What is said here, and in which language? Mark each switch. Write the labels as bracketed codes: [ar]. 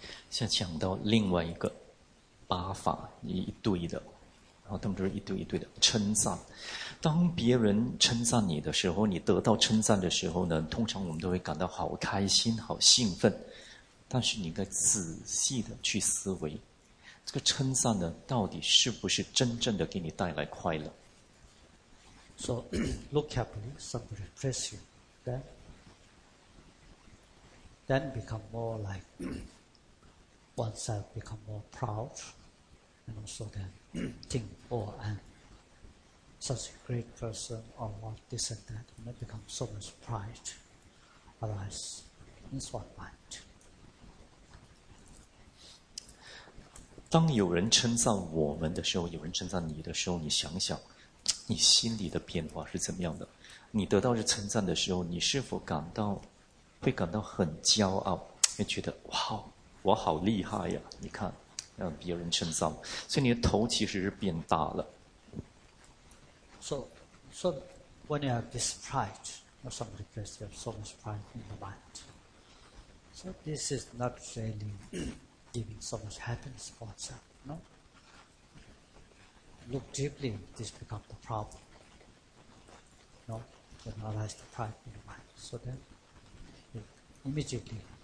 [zh] 像讲到另外一个八法一对的，然后他们就是一对一对的称赞。当别人称赞你的时候，你得到称赞的时候呢，通常我们都会感到好开心、好兴奋。但是你应该仔细的去思维，这个称赞呢，到底是不是真正的给你带来快乐 [en] ？So look carefully, somebody praise you, then become more like. Oneself become more proud, and also then think, oh, I'm such a great person, or what this and that, and I become so much pride. Otherwise, it's what might. [zh] 当有人称赞我们的时候，有人称赞你的时候，你想想，你心里的变化是怎么样的？你得到这称赞的时候，你是否感到会感到很骄傲，会觉得哇？我好厉害呀！你看，让别人称赞，所以你的头其实是变大了。 [en] So when you have this pride, or somebody says you have so much pride in the mind, so this is not really giving so much happiness for yourself. No. Look deeply, this becomes the problem. No, when you realize the pride in the mind, so then immediately.